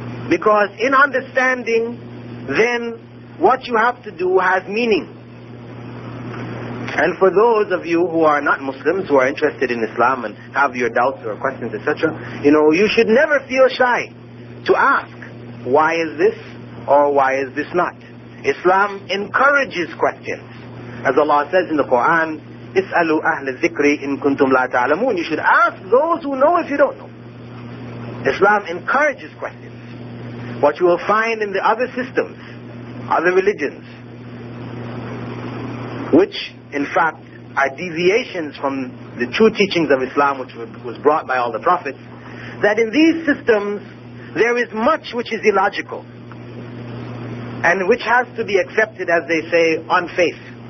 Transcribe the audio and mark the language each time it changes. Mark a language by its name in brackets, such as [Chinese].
[English] Because in understanding, then what you have to do has meaning. And for those of you who are not Muslims, who are interested in Islam and have your doubts or questions, etc., you know, you should never feel shy to ask, why is this or why is this not? Islam encourages questions. As Allah says in the Quran, [Arabic] اسألوا أهل الذكر إن كنتم لا تعلمون. [English] You should ask those who know if you don't know. Islam encourages questions. What you will find in the other systems, other religions, which in fact are deviations from the true teachings of Islam, which was brought by all the prophets, that in these systems there is much which is illogical and which has to be accepted, as they say, on faith.